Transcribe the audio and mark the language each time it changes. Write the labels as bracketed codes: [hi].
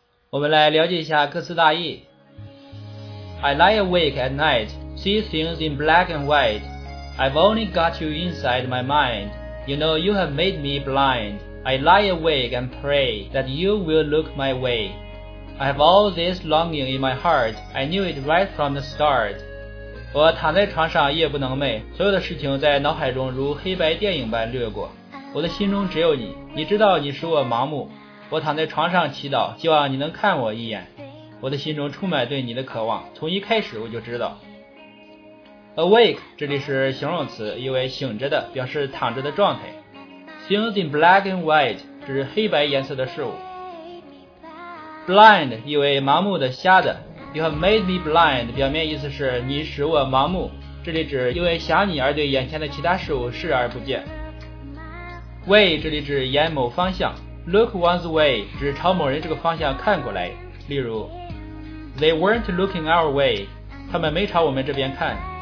[zh] 我们来了解一下歌词大意。 [en] I lie awake at night, see things in black and white. I've only got you inside my mind. You know you have made me blind. I lie awake and pray that you will look my way. I have all this longing in my heart. I knew it right from the start. [zh] 我躺在床上夜不能寐，所有的事情在脑海中如黑白电影般掠过。我的心中只有你，你知道你使我盲目。我躺在床上祈祷，希望你能看我一眼。我的心中充满对你的渴望，从一开始我就知道。Awake 这里是形容词，意为醒着的，表示躺着的状态。 [en] Things in black and white [zh] 指黑白颜色的事物。 Blind 意为盲目的，瞎的。 [en] You have made me blind [zh] 表面意思是你使我盲目，这里指因为想你而对眼前的其他事物视而不见。 Way 这里指沿某方向。Look one's way 指朝某人这个方向看过来，例如 [en] They weren't looking our way， [zh] 他们没朝我们这边看。